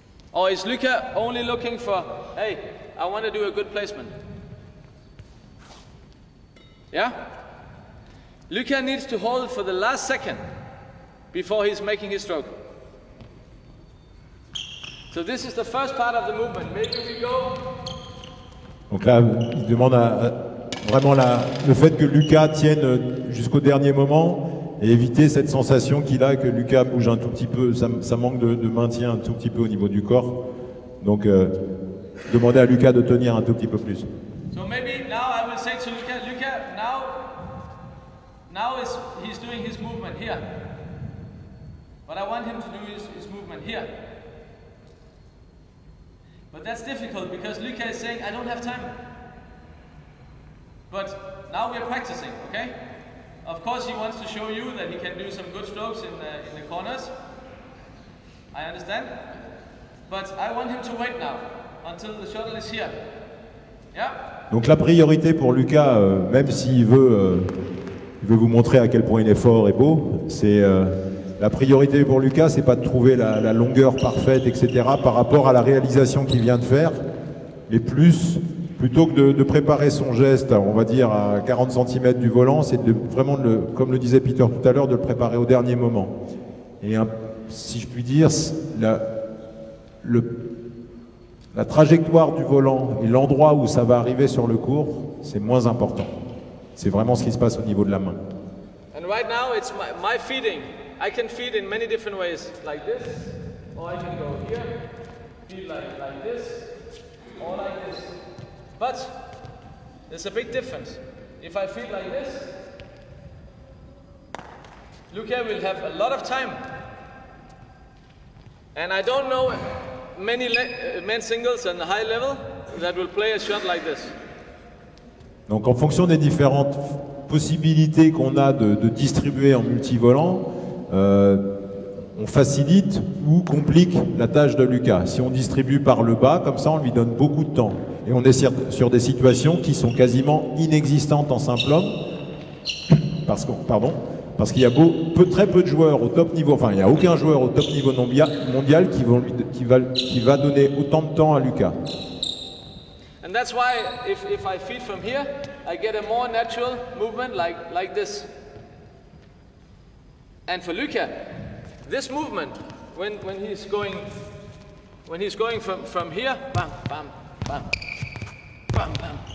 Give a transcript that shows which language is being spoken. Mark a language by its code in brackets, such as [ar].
[en] Or is Luca only looking for, hey, I want to do a good placement? Yeah? Luca needs to hold for the last second before he's making his stroke. So this is the first part of the movement. Maybe we go. [fr] Donc là, il demande à vraiment le fait que Luca tienne jusqu'au dernier moment. Et éviter cette sensation qu'il a que Lucas bouge un tout petit peu, ça manque de maintien un tout petit peu au niveau du corps. Donc, demander à Lucas de tenir un tout petit peu plus. [en] So maybe now I will say to Lucas, now is he's doing his movement here. What I want him to do is his movement here. But that's difficult because Lucas is saying I don't have time. But now we are practicing, okay? Of course, he wants to show you that he can do some good strokes in the corners. I understand. But I want him to wait now until the shuttle is here. Yeah? [fr] Donc la priorité pour Lucas, même s'il veut vous montrer à quel point il est fort et beau, c'est la priorité pour Lucas, c'est pas de trouver la longueur parfaite, etc. par rapport à la réalisation qu'il vient de faire, mais plutôt que de préparer son geste, on va dire, à 40 cm du volant, c'est de vraiment, comme le disait Peter tout à l'heure, de le préparer au dernier moment. Et si je puis dire, la trajectoire du volant et l'endroit où ça va arriver sur le cours, c'est moins important. C'est vraiment ce qui se passe au niveau de la main. [en] And right now, it's my feeding. I can feed in many different ways, like this, or I can go here, feed like this, or like this. But there's a big difference. If I feel like this, Luca will have a lot of time. And I don't know many men singles on the high level that will play a shot like this. [fr] Donc en fonction des différentes possibilités qu'on a de distribuer en multivolant, on facilite ou complique la tâche de Luca. Si on distribue par le bas, comme ça, on lui donne beaucoup de temps. Et on est sur des situations qui sont quasiment inexistantes en simple homme, parce qu'il y a très peu de joueurs au top niveau, enfin il n'y a aucun joueur au top niveau mondial qui va donner autant de temps à Lucas. [en] And that's why if I feed from here, I get a more natural movement like this. And for Lucas, this movement, when he's going from here, bam, bam, bam.